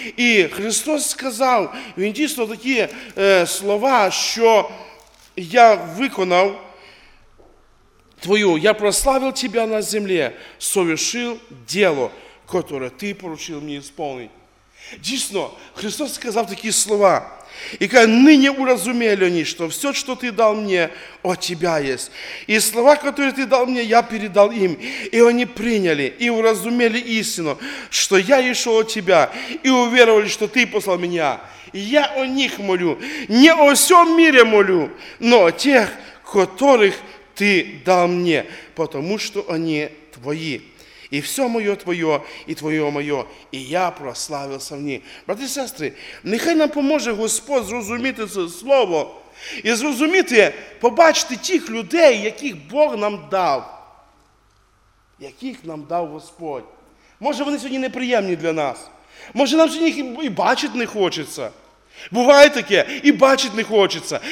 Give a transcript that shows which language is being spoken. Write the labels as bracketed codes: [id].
[uk] І Христос сказав, він дійсно такі слова, що я виконав твою, я прославив тебя на землі, совершив діло, [ru] которое ти поручив мені исполнить. [uk] Дійсно, Христос сказав такі слова – [ru] И говорит, ныне уразумели они, что все, что ты дал мне, от тебя есть. И слова, которые ты дал мне, я передал им. И они приняли и уразумели истину, что я ишел от тебя, и уверовали, что ты послал меня. И я о них молю, не о всем мире молю, но о тех, которых ты дал мне, потому что они твои. И все мое твое, и твое мое, и я прославился в ней. [uk] Братья и сестры, нехай нам поможет Господь зрозуміти це слово и зрозуміти, побачити тих людей, яких Бог нам дав. Яких нам дав Господь. Може, вони сьогодні неприємні для нас. Може, нам сьогодні їх і бачити не хочеться. Буває таке, і бачити не хочеться.